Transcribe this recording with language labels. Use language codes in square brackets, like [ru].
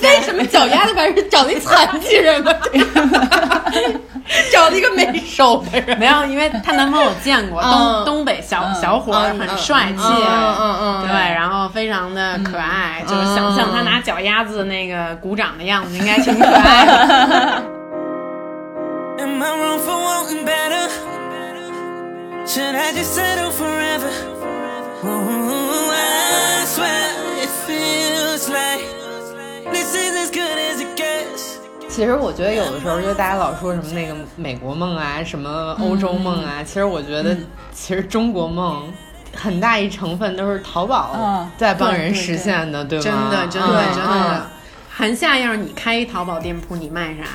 [zh] 为什么脚丫子拍？是找了一残疾人吗？找了一个没手的人？没有，因为他男朋友见过，东北小伙很帅气，对，然后非常的可爱，就是想象他拿脚丫子那个鼓掌的样子，应该挺可爱的。 [en] Am I wrong for wanting better? Should I just settle forever? Ooh, I swear it feels like this is as good as it gets. [zh] 其实我觉得有的时候，就大家老说什么那个美国梦啊，什么欧洲梦啊，其实我觉得，其实中国梦很大一成分都是淘宝在帮人实现的，对吧？真的，真的，真的。韩夏，要是你开一淘宝店铺，你卖啥？